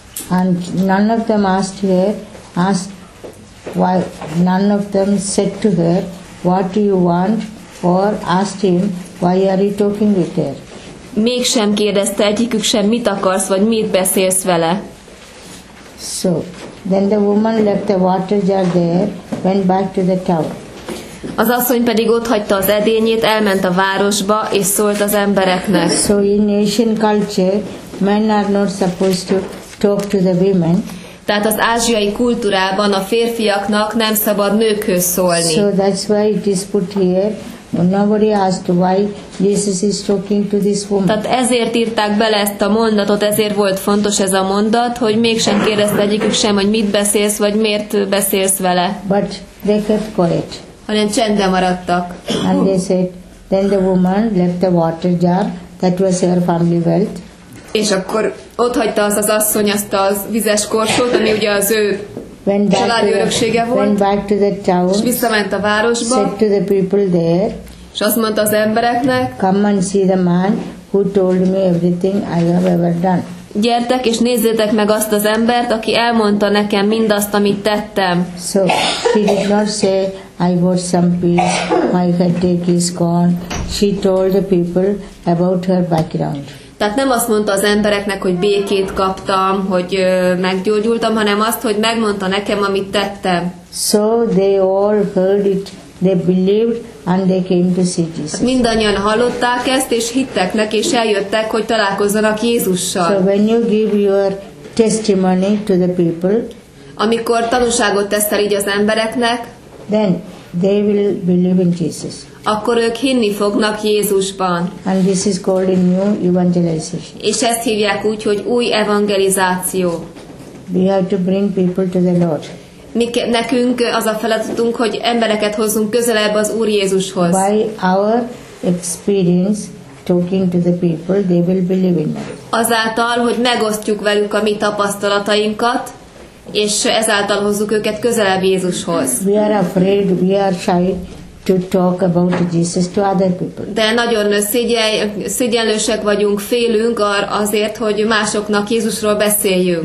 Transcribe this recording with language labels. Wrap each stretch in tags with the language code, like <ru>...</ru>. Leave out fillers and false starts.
<en>And none of them said to her, what do you want, or asked him, why are you talking with her?</en> <hu>Mégsem kérdezte egyikük sem, mit akarsz, vagy mit beszélsz vele.</hu> <en>So, then the woman left the water jar there, went back to the town.</en> <hu>Az asszony pedig ott hagyta az edényét, elment a városba, és szólt az embereknek.</hu> <en>So in Asian culture, men are not supposed to talk to the women.</en> <hu>Tehát az ázsiai kultúrában a férfiaknak nem szabad nőkhöz szólni.</hu> <en>So that's why it is put here. Nobody asked why Jesus is talking to this woman.</en> <hu>Tehát ezért írták bele ezt a mondatot, ezért volt fontos ez a mondat, hogy mégsem kérdezte egyikük sem, hogy mit beszélsz, vagy miért beszélsz vele.</hu> <en>But they kept quiet.</en> <hu>Hanem csendben maradtak.</hu> <en>And they said, then the woman left the water jar, that was her family wealth.</en> <hu>És akkor ott hagyta az az asszony azt a vizes korsót, ami ugye az ő családi öröksége volt.</hu> <en>Went back to the town.</en> <hu>És visszament a városba.</hu> <en>Said to the people there.</en> <hu>És azt mondta az embereknek.</hu> <en>Come and see the man who told me everything I have ever done.</en> <hu>Gyertek és nézzétek meg azt az embert, aki elmondta nekem mindazt, amit tettem.</hu> <en>So, she did not say, I got some peace, my headache is gone. She told the people about her background.</en> <hu>Tehát nem azt mondta az embereknek, hogy békét kaptam, hogy meggyógyultam, hanem azt, hogy megmondta nekem, amit tettem.</hu> <en>So they all heard it, they believed, and they came to see Jesus.</en> <hu>Hát mindannyian hallották ezt, és hittek neki, és eljöttek, hogy találkozzanak Jézussal.</hu> <en>So when you give your testimony to the people,</en> <hu>amikor tanúságot teszel így az embereknek,</hu> <en>then they will believe in Jesus.</en> <hu>Akkor ők hinni fognak Jézusban.</hu> <en>And this is called a new evangelization.</en> <hu>És ezt hívják úgy, hogy új evangelizáció.</hu> <en>We have to bring people to the Lord.</en> <hu>Nekünk az a feladatunk, hogy embereket hozzunk közelebb az Úr Jézushoz.</hu> <en>By our experience talking to the people, they will believe in us.</en> <hu>Azáltal, hogy megosztjuk velük a mi tapasztalatainkat, és ezáltal hozzuk őket közelebb Jézushoz.</hu> <en>We are afraid, we are shy to talk about Jesus to other people.</en> <hu>De nagyon szégyenlősek vagyunk, félünk azért, hogy másoknak Jézusról beszéljünk.</hu>